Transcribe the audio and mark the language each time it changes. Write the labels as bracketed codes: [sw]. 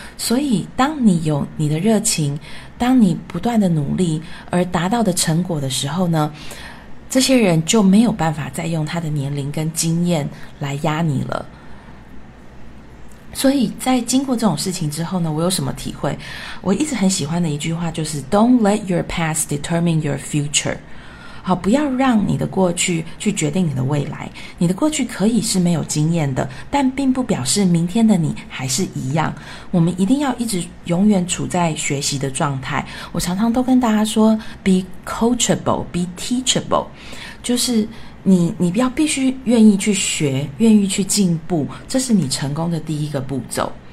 [zh] 所以当你有你的热情，当你不断的努力而达到的成果的时候呢，这些人就没有办法再用他的年龄跟经验来压你了。所以在经过这种事情之后呢，我有什么体会？我一直很喜欢的一句话就是 [en] Don't let your past determine your future。 [zh] 好，不要让你的过去去决定你的未来。你的过去可以是没有经验的，但并不表示明天的你还是一样。我们一定要一直永远处在学习的状态。我常常都跟大家说 [en] Be coachable, be teachable， [zh] 就是你要必须愿意去学，愿意去进步，这是你成功的第一个步骤。